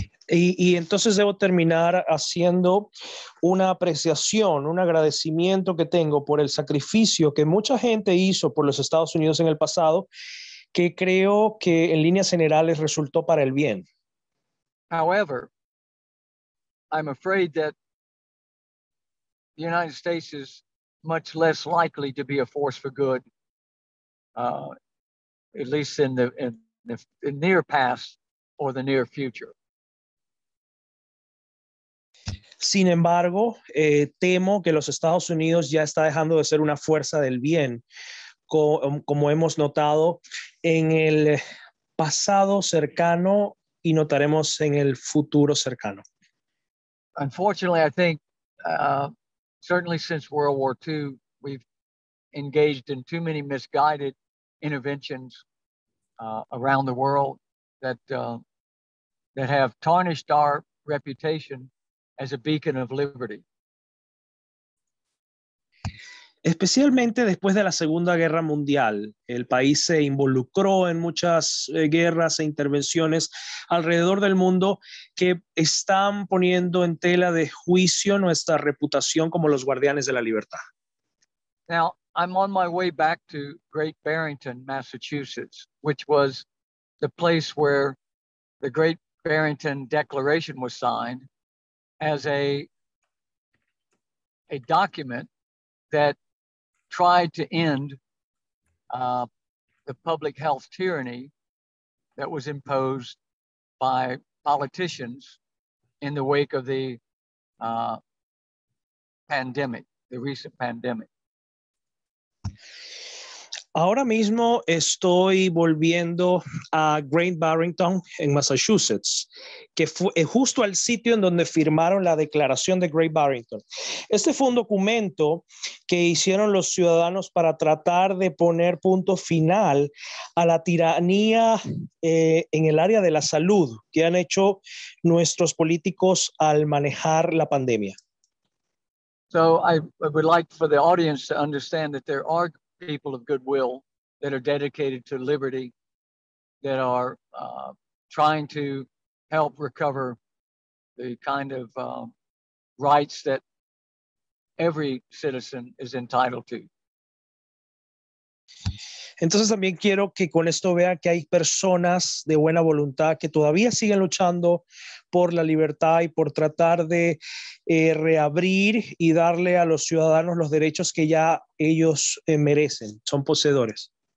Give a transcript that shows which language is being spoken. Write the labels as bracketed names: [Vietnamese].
[Spanish] Y entonces debo terminar haciendo una apreciación, un agradecimiento que tengo por el sacrificio que mucha gente hizo por los Estados Unidos en el pasado, que creo que en líneas generales resultó para el bien. [English] However, I'm afraid that the United States is much less likely to be a force for good, at least in the near past or the near future. [Spanish] Sin embargo, temo que los Estados Unidos ya está dejando de ser una fuerza del bien, como hemos notado en el pasado cercano y notaremos en el futuro cercano. [English] Unfortunately, I think, certainly since World War II, we've engaged in too many misguided interventions around the world that have tarnished our reputation as a beacon of liberty. [Spanish] Especialmente después de la Segunda Guerra Mundial, el país se involucró en muchas guerras e intervenciones alrededor del mundo que están poniendo en tela de juicio nuestra reputación como los guardianes de la libertad. [English] Now, I'm on my way back to Great Barrington, Massachusetts, which was the place where the Great Barrington Declaration was signed, as a document that tried to end the public health tyranny that was imposed by politicians in the wake of the pandemic, the recent pandemic. [Spanish] Ahora mismo estoy volviendo a Great Barrington en Massachusetts, que fue justo al sitio en donde firmaron la declaración de Great Barrington. Este fue un documento que hicieron los ciudadanos para tratar de poner punto final a la tiranía en el área de la salud que han hecho nuestros políticos al manejar la pandemia. [English] So I would like for the audience to understand that there are people of goodwill that are dedicated to liberty, that are trying to help recover the kind of rights that every citizen is entitled to. [Spanish] Entonces también quiero que con esto vea que hay personas de buena voluntad que todavía siguen luchando por la libertad y por tratar de reabrir y darle a los ciudadanos los derechos que ya ellos merecen, son poseedores.